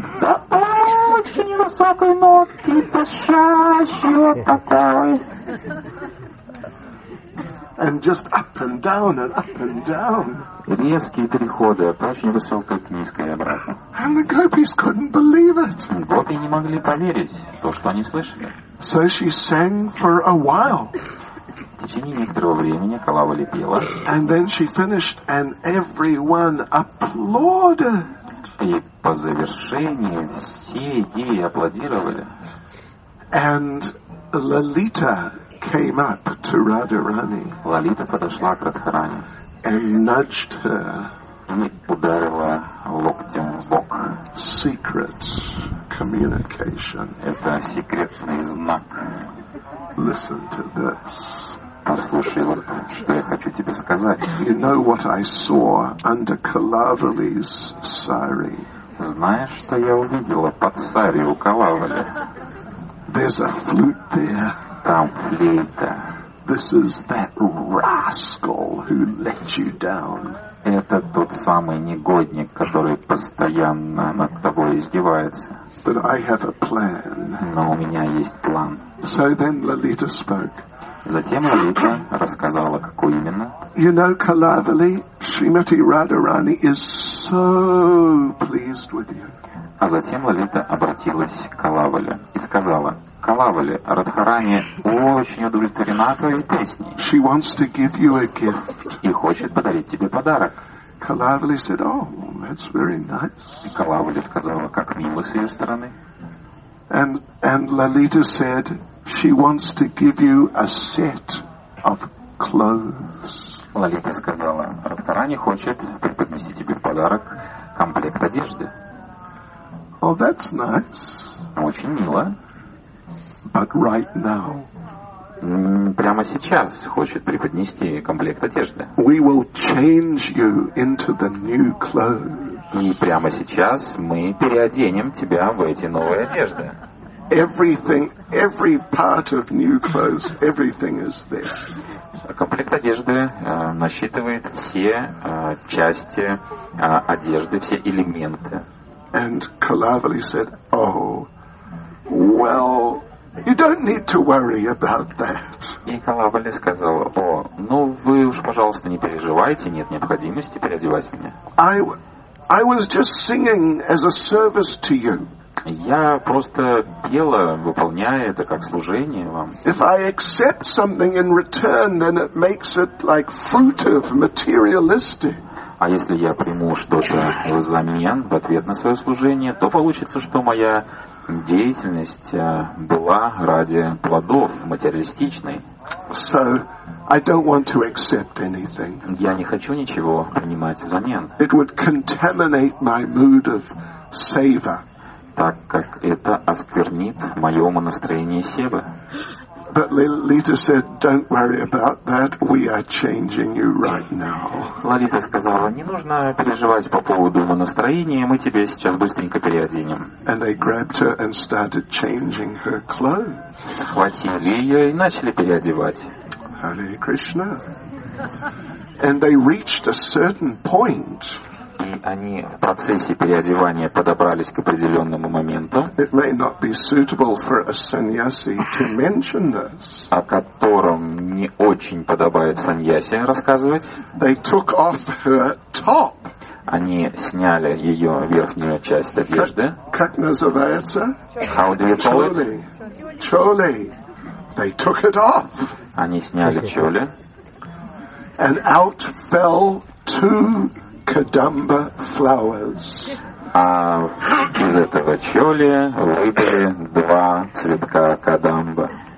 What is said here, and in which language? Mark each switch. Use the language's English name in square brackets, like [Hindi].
[Russian] До очень высокой нотки, пищащего такой. [English] And just up and down and up and down. [Russian] Резкие переходы от очень высокой к низкой и обратно. [English] And the gopis couldn't believe it. [Russian] Гопи не могли поверить то, что они слышали. [English] So she sang for a while. [Russian] В течение некоторого времени Калавали пела. [English] And then she finished and everyone applauded. [Russian] И по завершении все ей аплодировали. [English] And Lalita came up to Radharani. [Russian] Лалита подошла к Радхарани. [English] And nudged her. [Russian] И ударила локтем в бок. [English] Secret communication. [Russian] Это секретный знак. [English] Listen to this. [Russian] Послушай вот, что я хочу тебе сказать. [English] You know what I saw under Kalavali's sari? [Russian] Знаешь, что я увидела под сари у Калавали? [English] There's a flute there. [Russian] Там флейта. [English] This is that rascal who let you down. [Russian] Это тот самый негодник, который постоянно над тобой издевается. [English] But I have a plan. [Russian] Но у меня есть план. [English] So then Lalita spoke. [Russian] Затем Лалита рассказала, какой именно. [English] You know, Kalavali, Shrimati Radharani is so pleased with you. [Russian] А затем Лалита обратилась к Калавали и сказала: Калавали, Радхарани очень удовлетворена твоей песней. [English] She wants to give you a gift. [Russian] И хочет подарить тебе подарок. [English] Kalavali said, oh, that's very nice. [Russian] И Калавали сказала, как мило с ее стороны. [English] And Lalita said, she wants to give you a set of clothes. [Russian] Лалита сказала, Радхарани хочет преподнести тебе в подарок комплект одежды. [English] Oh, that's nice. [Russian] Очень мило. [English] But right now. [Russian] Прямо сейчас хочет преподнести комплект одежды. [English] We will change you into the new clothes. [Russian] И прямо сейчас мы переоденем тебя в эти новые одежды. [English] Everything, every part of new clothes, everything is there. [Russian] Комплект одежды насчитывает все части одежды, все элементы. [English] And Kalavali said, oh, well, you don't need to worry about that. [Russian] И Калавали сказала, о, ну вы уж, пожалуйста, не переживайте, нет необходимости переодевать меня. [English] I, I was just singing as a service to you. [Russian] Я просто пела, выполняя это как служение вам. [English] If I accept something in return, then it makes it like fruitive, materialistic. [Russian] А если я приму что-то взамен, в ответ на свое служение, то получится, что моя деятельность была ради плодов, материалистичной. [English] So, I don't want to accept anything. [Russian] Я не хочу ничего принимать взамен. [English] It would contaminate my mood of savor. [Russian] Так как это осквернит мое настроение себа. [English] But Lalita said, "Don't worry about that. We are changing you right now." [Russian] Лалита сказала, не нужно переживать по поводу настроения, мы тебе сейчас быстренько переоденем. [English] And they grabbed her and started changing her clothes. [Russian] Схватили ее и начали переодевать. [Sanskrit] Hare Krishna. [English] And they reached a certain point. [Russian] И они в процессе переодевания подобрались к определенному моменту, [English] it may not be suitable for a sannyasi to mention this, [Russian] о котором не очень подобает саньяси рассказывать. [English] They took off her top. [Russian] Они сняли ее верхнюю часть одежды. Как называется? [English] How do you call it? Чоли. Чоли. They took it off. [Russian] Они сняли чоли. [English] And out fell two Kadamba flowers. [Russian] А из этого чоли выпали два цветка кадамба.